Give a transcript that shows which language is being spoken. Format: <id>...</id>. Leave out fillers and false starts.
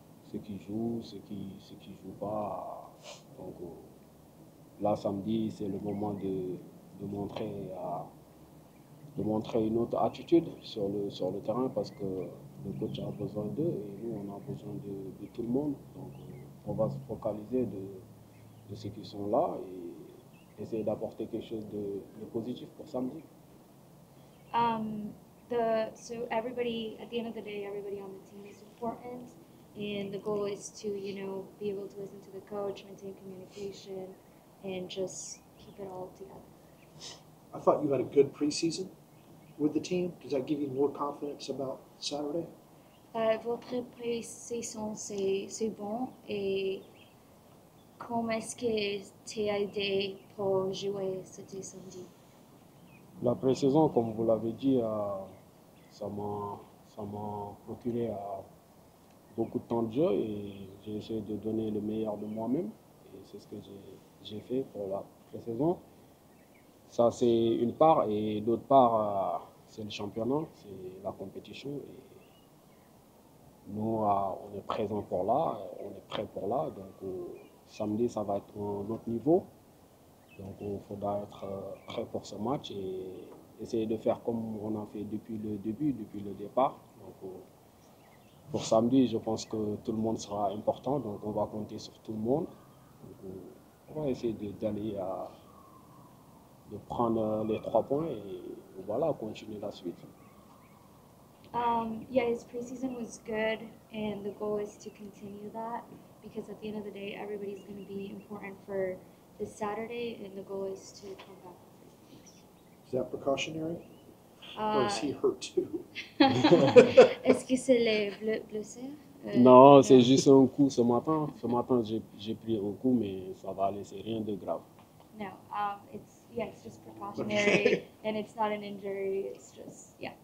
<fr>Ceux qui jouent, ceux qui ne jouent pas. Donc là, samedi, c'est le moment de montrer une autre attitude sur le terrain parce que le coach a besoin d'eux et nous, on a besoin de tout le monde. Donc on va se focaliser de ceux qui sont là et essayer d'apporter quelque chose de positif pour samedi.</fr> <en>So everybody, at the end of the day, everybody on the team is important, and the goal is to, you know, be able to listen to the coach, maintain communication, and just keep it all together. I thought you had a good preseason. with the team? Does that give you more confidence about Saturday?</en> <fr>Votre pré-saison, c'est bon. Et comment est-ce que t'es aidé pour jouer cette samedi? La pré-saison, comme vous l'avez dit, ça m'a procuré beaucoup de temps de jeu et j'ai essayé de donner le meilleur de moi-même. Et c'est ce que j'ai fait pour la pré-saison. Ça, c'est une part. Et d'autre part, c'est le championnat, c'est la compétition. Et nous, on est présent pour là, on est prêt pour là. Donc, samedi, ça va être un autre niveau. Donc, il faudra être prêt pour ce match et essayer de faire comme on a fait depuis le début, depuis le départ. Donc, pour samedi, je pense que tout le monde sera important. Donc, on va compter sur tout le monde. Donc, on va essayer de prendre les trois points et voilà, continuer la suite.</fr> <en>His preseason was good, and the goal is to continue that because at the end of the day, everybody's going to be important for this Saturday, and the goal is to come back. Is that precautionary? Or is he hurt too?</en> <fr>Est-ce que c'est les blessés? Non, c'est juste un coup ce matin. Ce matin, j'ai pris un coup, mais ça va aller, c'est rien de grave.</fr> <en>No, it's just precautionary, and it's not an injury, it's just,</en>